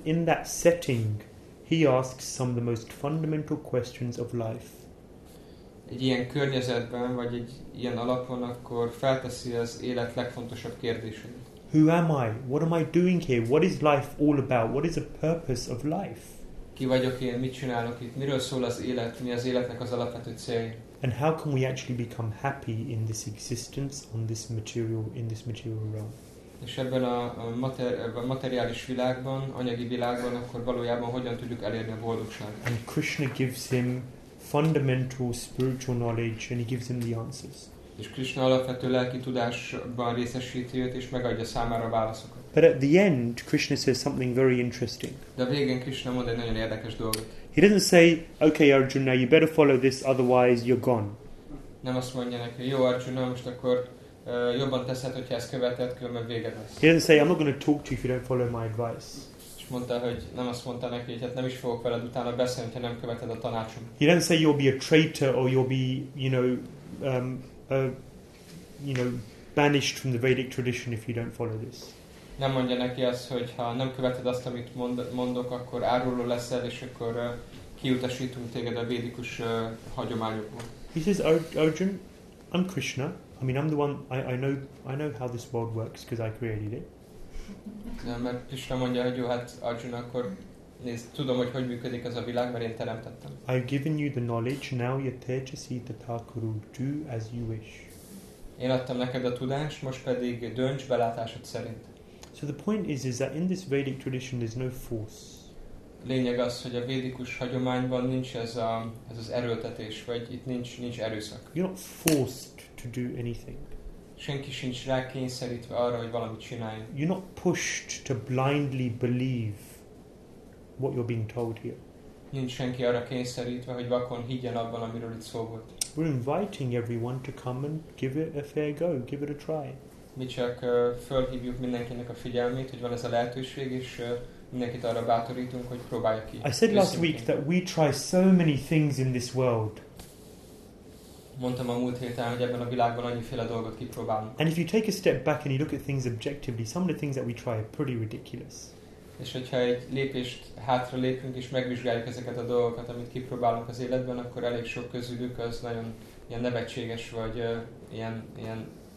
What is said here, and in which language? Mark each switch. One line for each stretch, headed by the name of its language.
English: In that setting, he asks some of the most fundamental questions of life.
Hungarian: Egy ilyen környezetben, vagy egy ilyen alapon, akkor felteszi az élet legfontosabb kérdéseit.
English: Who am I? What am I doing here? What is life all about? What is the purpose of life?
Hungarian: Ki vagyok én, mit csinálok itt, miről szól az élet, mi az életnek az alapvető célja.
English: And how can we actually become happy in this existence, on this material, in this material realm?
Hungarian: És ebben a materiális világban, anyagi világban, akkor valójában hogyan tudjuk elérni a boldogságot?
English: And Krishna gives him fundamental spiritual knowledge, and he gives him the answers.
Hungarian: És Krishna alapvető lelki tudásban részesíti őt, és megadja számára a válaszokat.
English: But at the end, Krishna says something very interesting.
Hungarian: De a végén Krishna mond egy nagyon érdekes dolgot.
English: He doesn't say, okay, Arjuna, you better follow this, otherwise you're gone.
Hungarian: Nem azt mondja neki, jó Arjuna, most akkor jobban teszed, hogyha ezt követed, különben véged lesz.
English: He doesn't say, I'm not going to talk to you if you don't follow my advice.
Hungarian: És mondta, hogy nem azt mondta neki, hogy hát nem is fogok veled utána beszélni, ha nem követed a tanácsom.
English: He doesn't say you'll be a traitor or you'll be, you know, banished from the Vedic tradition if you don't follow this.
Hungarian: Nem mondja neki azt, hogy ha nem követed azt, amit mondok, akkor áruló leszel, és akkor kiutasítunk téged a védikus hagyományokból.
English: He says, Arjuna, I'm Krishna. I mean, I'm the one. I know how this world works because I created it.
Hungarian: Nem, mert Krishna mondja, hogy jó, hát Arjuna, akkor nézd, tudom, hogy hogy működik ez a világ, mert én teremtettem.
English: I've given you the knowledge. Now you're there to see the Thakuru. Do as you wish.
Hungarian: Én adtam neked a tudást, most pedig dönts belátásod szerint.
English: So the point is that in this Vedic tradition there's no force.
Hungarian: Lényeg az, hogy a védikus hagyományban nincs ez az erőltetés, vagy itt nincs erőszak.
English: You're not forced to do anything.
Hungarian: Senki sincs rákényszerítve arra, hogy valamit csináljon.
English: You're not pushed to blindly believe what you're being told here.
Hungarian: Nincs senki arra kényszerítve, hogy vakon higgyen abban, amiről itt szó volt.
English: We're inviting everyone to come and give it a fair go, give it a try.
Hungarian: Mi csak fölhívjuk mindenkinek a figyelmét, hogy van ez a lehetőség, és mindenkit arra bátorítunk, hogy próbálja ki.
English: I said last week that we try so many things in this world.
Hungarian: Mondtam a múlt héten, hogy ebben a világban annyiféle dolgot kipróbálunk.
English: And if you take a step back and you look at things objectively, some of the things that we try are pretty ridiculous.
Hungarian: És hogyha egy lépést hátra lépünk, és megvizsgáljuk ezeket a dolgokat, amit kipróbálunk az életben, akkor elég sok közülük az nagyon ilyen nevetséges, vagy ilyen